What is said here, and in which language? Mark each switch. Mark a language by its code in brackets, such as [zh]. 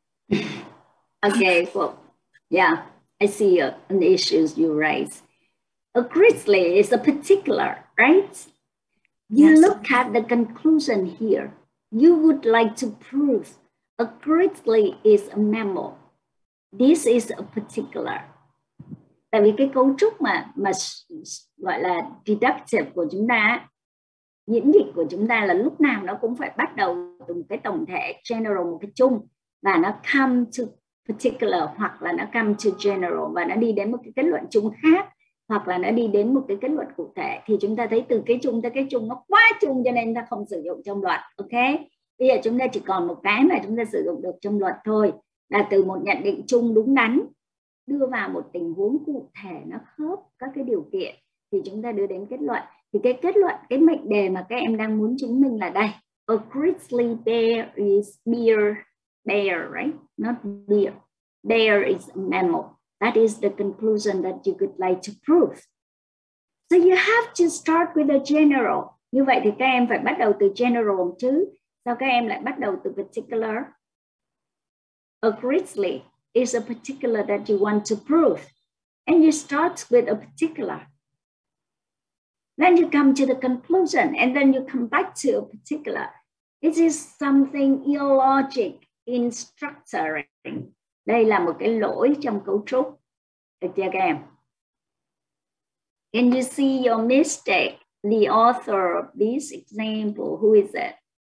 [en] Okay. Well. Yeah, I see an issues you raise. A grizzly is a particular, right? You yes. Look at the conclusion here. You would like to prove a grizzly is a mammal. This is a particular. [vi] Tại vì cái cấu trúc mà gọi là deductive của chúng ta miễn dịch của chúng ta là lúc nào nó cũng phải bắt đầu từ một cái tổng thể general, một cái chung, và nó [en] come to particular [vi] hoặc là nó [en] come to general [vi] và nó đi đến một cái kết luận chung khác hoặc là nó đi đến một cái kết luận cụ thể. Thì chúng ta thấy từ cái chung tới cái chung nó quá chung cho nên ta không sử dụng trong luật. Ok, bây giờ chúng ta chỉ còn một cái mà chúng ta sử dụng được trong luật thôi, là từ một nhận định chung đúng đắn đưa vào một tình huống cụ thể nó khớp các cái điều kiện thì chúng ta đưa đến kết luận. Thì cái kết luận, cái mệnh đề mà các em đang muốn chứng minh là đây: [en] a grizzly bear is bear, bear, right? Not bear. Bear is a mammal. That is the conclusion that you could like to prove. So you have to start with a general. [vi] Như vậy thì các em phải bắt đầu từ general chứ. Sao các em lại bắt đầu từ particular? [en] A grizzly is a particular that you want to prove. And you start with a particular. Then you come to the conclusion and then you come back to a particular. This is something illogic in structuring. [vi] Đây là một cái lỗi trong cấu trúc. Được chưa em? [en] Can you see your mistake? The author of this example, who is it?